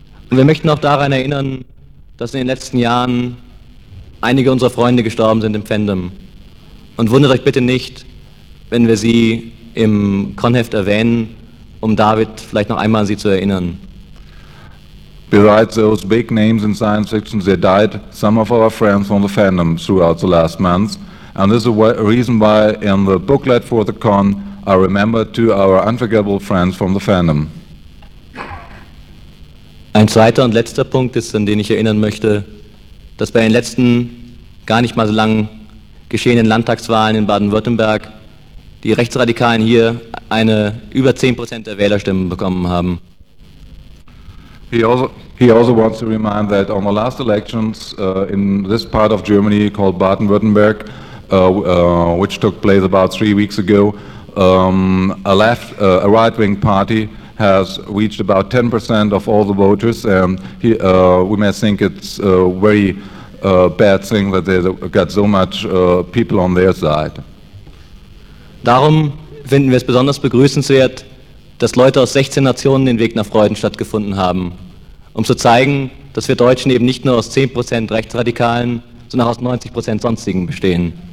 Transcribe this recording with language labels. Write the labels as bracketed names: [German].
[German] Und wir möchten auch daran erinnern, dass in den letzten Jahren einige unserer Freunde gestorben sind im Fandom. Und wundert euch bitte nicht, wenn wir sie im Conheft erwähnen, um David vielleicht noch einmal an sie zu erinnern. [English] Besides those big names in science fiction, they died some of our friends from the fandom throughout the last month. And this is a reason why in the booklet for the con, I remember to our unforgettable friends from the fandom. [German] Ein zweiter und letzter Punkt ist, an den ich erinnern möchte, dass bei den letzten gar nicht mal so lang geschehenen Landtagswahlen in Baden-Württemberg die Rechtsradikalen hier eine über 10% der Wählerstimmen bekommen haben. [English] He also wants to remind that on the last elections in this part of Germany called Baden-Württemberg, which took place about 3 weeks ago, a right-wing party has reached about 10% of all the voters, and we may think it's a very bad thing that they got so much people on their side. [German] Darum finden wir es besonders begrüßenswert, dass Leute aus 16 Nationen den Weg nach Freudenstadt gefunden haben, um zu zeigen, dass wir Deutschen eben nicht nur aus 10% Rechtsradikalen, sondern auch aus 90% Sonstigen bestehen.